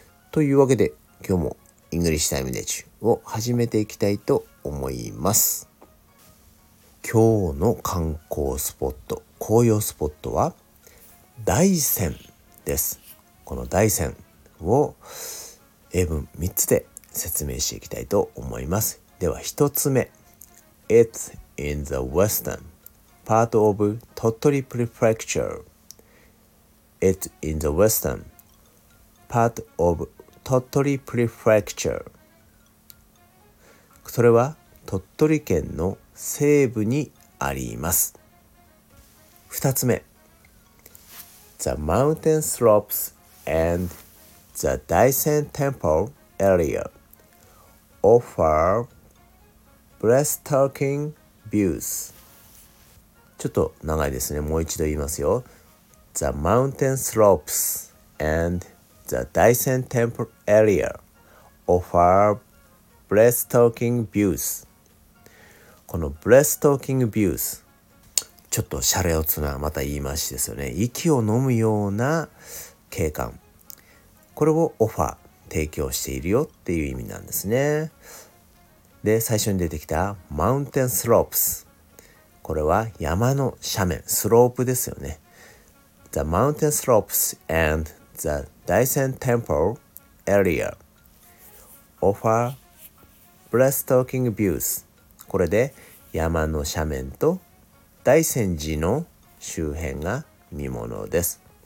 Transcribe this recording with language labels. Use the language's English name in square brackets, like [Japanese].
[Japanese] というわけで、今日もイングリッシュタイムで中を始めていきたいと思います。今日の観光スポット、紅葉スポットは大山です。この大山を英文3つで説明していきたいと思います。では1つ目、 [English] It's in the western part of Tottori Prefecture. It's in the western part of Tottori Prefecture. [Japanese] それは鳥取県の西部にあります。 2つ目、 [English] The mountain slopes and the Daisen Temple area offer breathtaking views. [Japanese] ちょっと長いですね。もう一度言いますよ。 [English] The mountain slopes and the Daisen Temple area offer breathtaking views. [Japanese] この breathtaking views、 ちょっとシャレオツなまた言い回しですよね。息を飲むような景観、これをオファー、提供しているよっていう意味なんですね。で、最初に出てきたマウンテンスロープス、これは山の斜面、スロープですよね。 [English] The mountain slopes and the Daisen Temple area offer breathtaking views。 [Japanese] これで山の斜面と大山寺の周辺が見ものです。